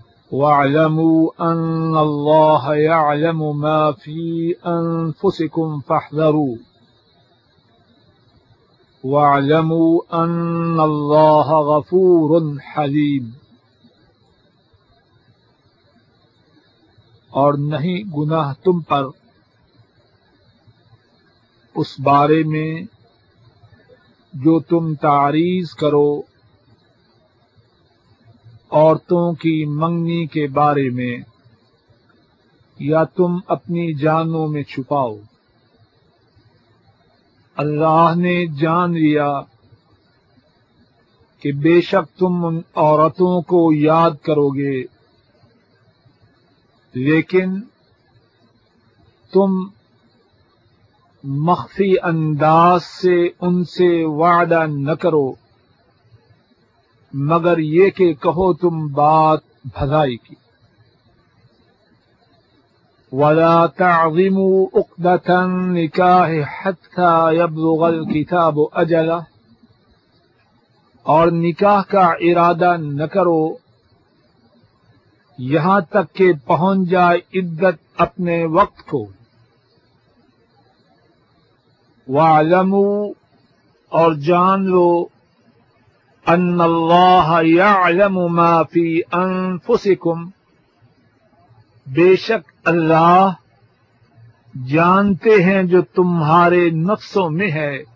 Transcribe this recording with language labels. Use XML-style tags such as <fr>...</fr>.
<ar>واعلموا أن الله يعلم ما في أنفسكم فاحذروا. واعلموا أن الله غفور حليم.</ar> <ur>اور نہیں گناہ تم پر اس بارے میں جو تم تعریض کرو عورتوں کی منگنی کے بارے میں یا تم اپنی جانوں میں چھپاؤ. اللہ نے جان لیا کہ بے شک تم ان عورتوں کو یاد کرو گے لیکن تم مخفی انداز سے ان سے وعدہ نہ کرو مگر یہ کہ کہو تم بات بھلائی کی.</ur> <ar>ولا تعظموا عقدة النكاح حتى يبلغ الكتاب اجلہ.</ar> <ur>اور نکاح کا ارادہ نہ کرو یہاں تک کہ پہنچ جائے عدت اپنے وقت کو.</ur> <ar>وَاعْلَمُوا</ar> <ur>اور جان لو</ur> <ar>أَنَّ اللَّهَ يَعْلَمُ مَا فِي أَنفُسِكُمْ</ar> <ur>بے شک اللہ جانتے ہیں جو تمہارے نفسوں میں ہے.</ur>